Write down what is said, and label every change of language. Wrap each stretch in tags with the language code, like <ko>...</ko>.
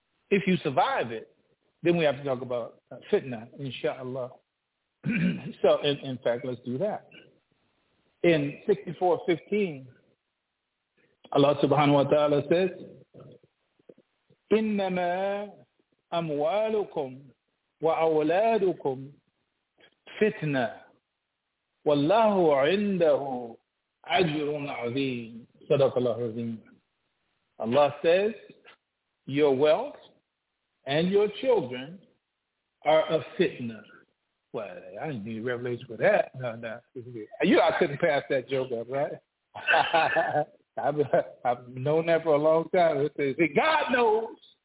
<en>If you survive it, then we have to talk about fitna, inshallah. So, in fact, let's do that. In 64:15, Allah subhanahu wa ta'ala says,</en> <ar>إنما أموالكم وأولادكم فتنة والله عنده أجر عظيم. صدق الله العظيم.</ar> <en>Allah says, your wealth and your children are a fitna. Well, I didn't need revelation for that. No. You know, I couldn't pass that joke up, right? I've known that for a long time. It says, God knows.</en>